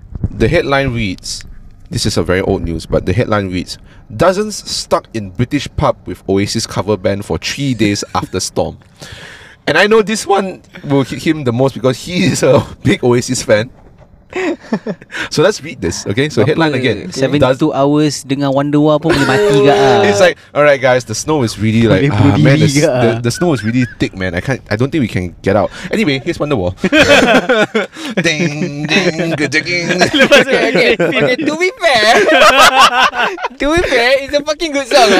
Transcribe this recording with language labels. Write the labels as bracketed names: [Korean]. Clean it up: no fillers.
[English] The headline reads, this is a very old news, but the headline reads, dozens stuck in British pub with Oasis cover band for 3 days after storm. And I know this one will hit him the most because he is a big Oasis fan. So let's read this, okay? So headline again. 72 hours [Malay] dengan Wonderwall pun boleh mati ke? [English] It's like, alright guys, the snow is really like, man, the snow is really thick, man. I don't think we can get out. Anyway, here's Wonderwall. Ding, ding. Okay, to be fair, it's a fucking good song.